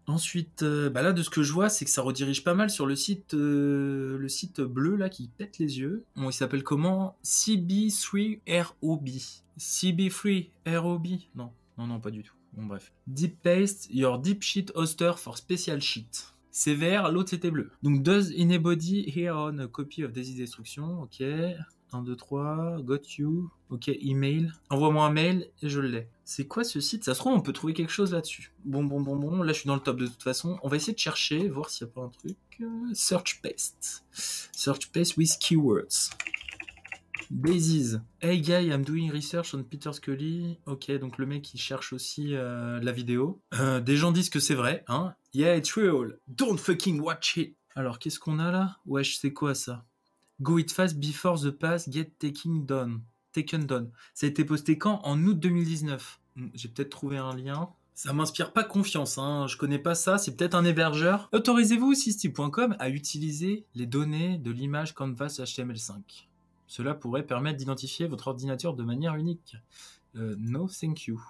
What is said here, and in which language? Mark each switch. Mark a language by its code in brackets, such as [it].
[fr] Ensuite, bah là, de ce que je vois, c'est que ça redirige pas mal sur le site bleu là qui pète les yeux. Bon, il s'appelle comment? CB3ROB. CB3ROB. Non, non, non, pas du tout. Bon, bref. [en] Deep paste your deep shit hoster for special shit. [fr] C'est vert, l'autre c'était bleu. [en] Donc, does anybody here on a copy of Daisy Destruction? Ok. 1, 2, 3, got you. Ok, email. [fr] Envoie-moi un mail et je l'ai. C'est quoi ce site? Ça se trouve, on peut trouver quelque chose là-dessus. Bon, bon, bon, bon. Là, je suis dans le top de toute façon. On va essayer de chercher, voir s'il n'y a pas un truc. [en] Search paste. Search paste with keywords. Basis. Hey guy, I'm doing research on Peter Scully. [fr] Ok, donc le mec, il cherche aussi la vidéo. Des gens disent que c'est vrai, hein. [en] Yeah, it's real. Don't fucking watch it. [fr] Alors, qu'est-ce qu'on a là? Wesh, c'est quoi ça? [en] Go it fast before the pass get taken down. Taken down. [fr] Ça a été posté quand? En août 2019. J'ai peut-être trouvé un lien. Ça m'inspire pas confiance, hein. Je connais pas ça. C'est peut-être un hébergeur. Autorisez-vous, systy.com, à utiliser les données de l'image Canvas HTML5. Cela pourrait permettre d'identifier votre ordinateur de manière unique. [en] No thank you.